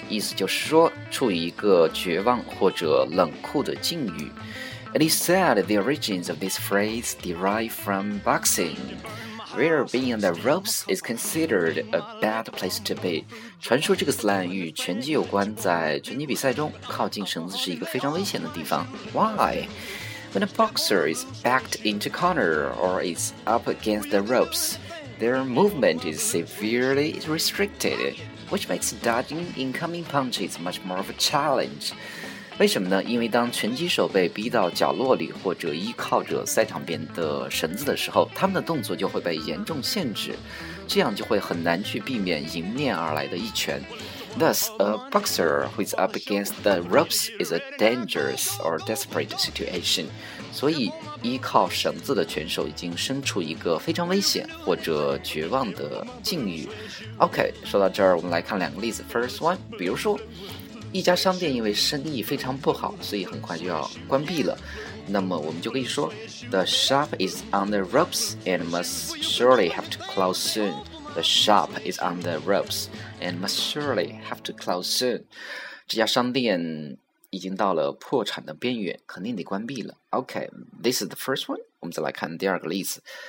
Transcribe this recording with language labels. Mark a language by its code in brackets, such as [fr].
[zh] 意思就是说处于一个绝望或者冷酷的境遇。 [en] It is said the origins of this phrase derive from boxing, where being on the ropes is considered a bad place to be. [zh] 传说这个 slang 与拳击有关，在拳击比赛中靠近绳子是一个非常危险的地方。 [en] Why? When a boxer is backed into a corner or is up against the ropes, their movement is severely restricted, which makes dodging incoming punches much more of a challenge. [zh] 为什么呢？因为当拳击手被逼到角落里或者依靠着赛场边的绳子的时候，他们的动作就会被严重限制，这样就会很难去避免迎面而来的一拳。 [en] Thus, a boxer who is up against the ropes is a dangerous or desperate situation. [zh] 所以依靠绳子的拳手已经身处一个非常危险或者绝望的境遇。 OK, 说到这儿我们来看两个例子。 [en] First one, [zh] 比如说一家商店因为生意非常不好，所以很快就要关闭了。那么我们就可以说 [en] The shop is on the ropes and must surely have to close soon. The shop is on the ropes and must surely have to close soon. [zh] 这家商店已经到了破产的边缘，肯定得关闭了。 [en] OK, this is the first one. [zh] 我们再来看第二个例子。